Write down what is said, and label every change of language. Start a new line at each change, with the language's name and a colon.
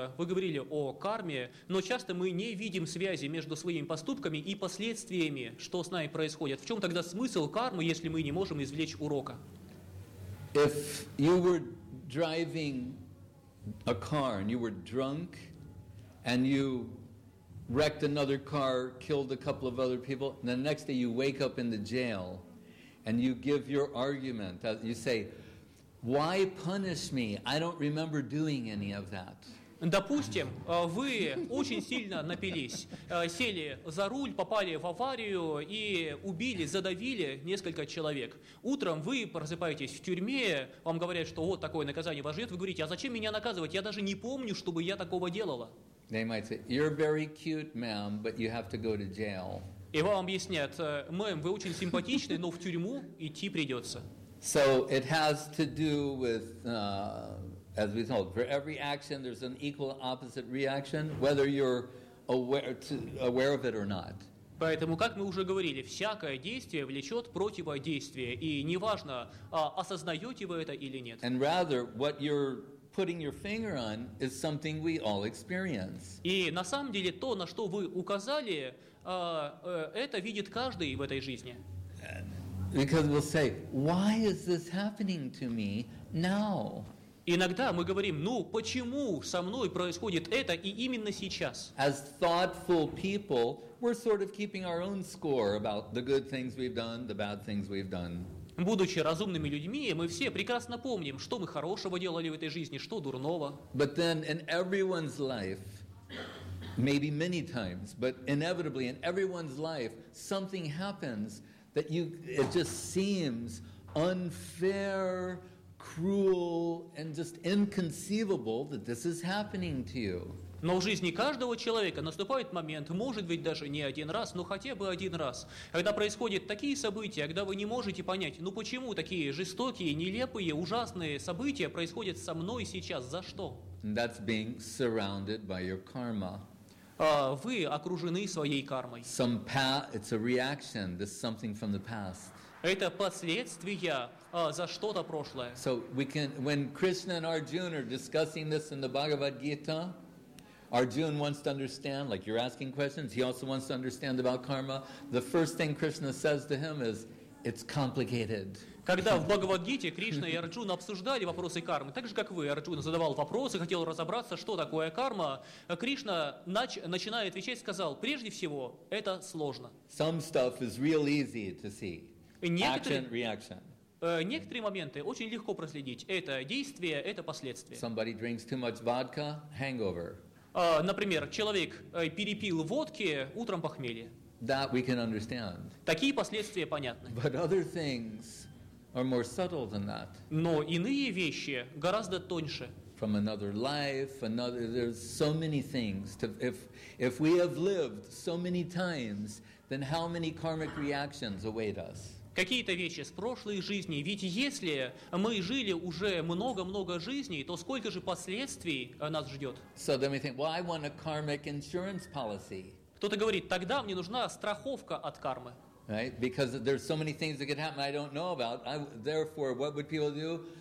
Russian: Вы говорили о карме, но часто мы не видим связи между своими поступками и последствиями, что с нами происходит. В чем тогда смысл кармы, если мы не можем извлечь урока?
English: If you were driving a car and you were drunk and you wrecked another car, killed a couple of other people, and the next day you wake up in the jail and you give your argument, you say, why punish me? I don't remember doing any of that.
Russian: Допустим, вы очень сильно напились, сели за руль, попали в аварию и убили, задавили несколько человек. Утром вы просыпаетесь в тюрьме, вам говорят, что вот такое наказание вас ждет. Вы говорите, а зачем меня наказывать? Я даже не помню, чтобы я такого делала.
English: They might say, you're very cute, ma'am, but you have to go to jail.
Russian: И вам объяснят, мэм, вы очень симпатичны, но в тюрьму идти придется.
English: So it has to do with, as we told, for every action there's an equal and opposite reaction, whether you're aware of it or not.
Russian: Поэтому, как мы уже говорили, всякое действие влечет противодействие, и неважно, осознаете вы это или нет.
English: And rather, what you're putting your finger on is something we all experience.
Russian: И на самом деле то, на что вы указали, это видит каждый в этой жизни.
English: Because we'll say, why is this happening to me now?
Russian: Иногда мы говорим, ну почему со мной происходит это и именно сейчас?
English: As thoughtful people, we're sort of keeping our own score about the good things we've done, the bad things we've done.
Russian: Будучи разумными людьми, мы все прекрасно помним, что мы хорошего делали в этой жизни, что дурного.
English: But then in everyone's life, maybe many times, but inevitably in everyone's life, something happens that it just seems unfair, cruel, and just inconceivable that this is happening to you.
Russian: Но в жизни каждого человека наступает момент, может быть, даже не один раз, но хотя бы один раз, когда происходят такие события, когда вы не можете понять, ну почему такие жестокие, нелепые, ужасные события происходят со мной сейчас, за что?
English: That's being surrounded by your karma.
Russian: Вы окружены своей кармой.
English: It's a reaction, this something from the past.
Russian: Это последствия за что-то прошлое.
English: So we can, when Krishna and Arjuna are discussing this in the Bhagavad Gita, Arjuna wants to understand, like you're asking questions, he also wants to understand about karma. The first thing Krishna says to him is, it's complicated.
Russian: Когда в Бхагавад-гите Кришна и Арджуна обсуждали вопросы кармы, так же, как вы, Арджуна задавал вопросы, хотел разобраться, что такое карма, Кришна, начиная отвечать, сказал, прежде всего, это сложно.
English: Some stuff is real easy to see. Action, reaction.
Russian: Некоторые моменты очень легко проследить. Это действие, это последствия.
English: Somebody drinks too much vodka, hangover.
Russian: Например, человек перепил водки утром похмелье.
English: That we can understand.
Russian: Такие последствия понятны.
English: But other things are more subtle than that.
Russian: Но иные вещи гораздо тоньше.
English: From another life, another. There's so many things. If we have lived so many times, then how many karmic reactions await us?
Russian: Какие-то вещи с прошлой жизни. Ведь если мы жили уже много-много жизней, то сколько же последствий нас ждет?
English: So then we think, well, I want a karmic insurance policy.
Russian: Кто-то говорит, тогда мне нужна страховка от кармы.
English: Right? Because there's so many things that could happen I don't know about. Therefore, what would people do?